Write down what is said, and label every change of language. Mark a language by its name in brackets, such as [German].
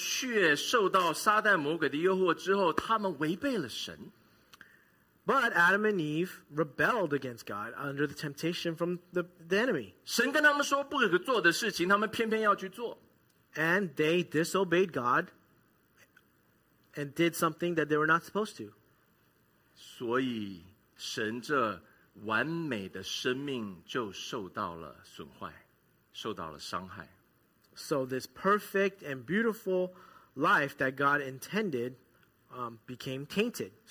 [Chinese] 但是亚当和夏娃他们却受到撒旦魔鬼的诱惑之后, 他们违背了神。 [English] But Adam and Eve rebelled against God under the temptation from the enemy. [Chinese] 神跟他们说不可做的事情, 他们偏偏要去做。 [English] And they disobeyed God and did something that they were not supposed to. [Chinese] 所以神这 完美的生命就受到了损坏，受到了伤害。 [English] So this perfect and beautiful life that God intended became tainted.